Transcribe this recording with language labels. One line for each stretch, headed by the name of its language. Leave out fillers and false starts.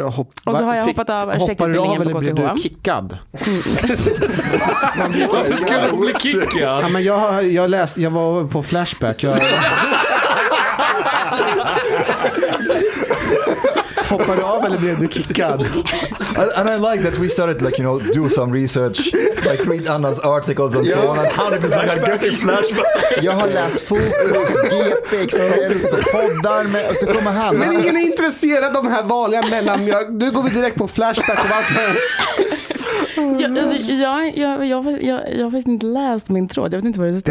Swedish: hoppat av arkitektutbildningen på KTH? Hoppar du av eller blir du kickad? Varför skulle du bli kickad? Ja, men jag var på Flashback. Hoppade av eller blev du kickad?
English: And I like that we started like, you know, do some research, like read Anna's articles and yeah. so on. How did like a dirty flashback?
Swedish: Jag har läst Fokus, GP, Express, poddar med, och så kommer han. Men ingen är intresserad av de här vanliga mellanmjölk. Nu går vi direkt på flashback och varför. Jag har faktiskt inte läst min tråd. Jag vet inte vad det står.